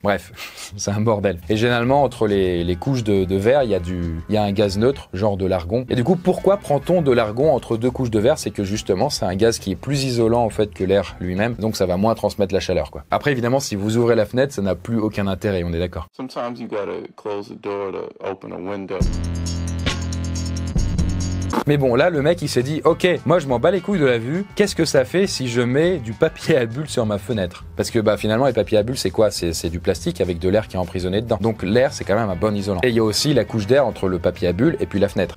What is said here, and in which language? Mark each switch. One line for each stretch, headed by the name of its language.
French: Bref, c'est un bordel. Et généralement, entre les couches de verre, il y a un gaz neutre, genre de l'argon. Et du coup, pourquoi prend-on de l'argon entre deux couches de verre? C'est que justement, c'est un gaz qui est plus isolant, en fait, que l'air lui-même, donc ça va moins transmettre la chaleur, quoi. Après, évidemment, si vous ouvrez la fenêtre, ça n'a plus aucun intérêt, on est d'accord.
English: Sometimes you gotta close the door. Open a window.
French: Mais bon, là, le mec, il s'est dit, ok, moi, je m'en bats les couilles de la vue. Qu'est-ce que ça fait si je mets du papier à bulles sur ma fenêtre? Parce que, bah, finalement, les papiers à bulles, c'est quoi? C'est du plastique avec de l'air qui est emprisonné dedans. Donc, l'air, c'est quand même un bon isolant. Et il y a aussi la couche d'air entre le papier à bulles et puis la fenêtre.